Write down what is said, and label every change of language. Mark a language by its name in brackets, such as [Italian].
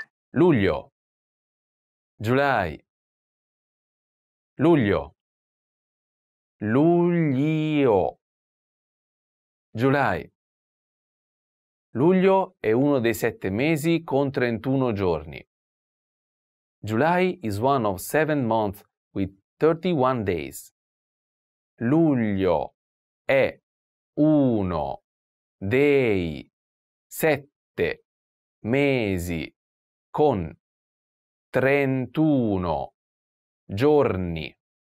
[Italian] Luglio. July. Luglio. Luglio. July. Luglio è uno dei sette mesi con 31 giorni. [English] July is one of seven months with 31 days. [Italian] Luglio è uno dei sette mesi con 31 giorni.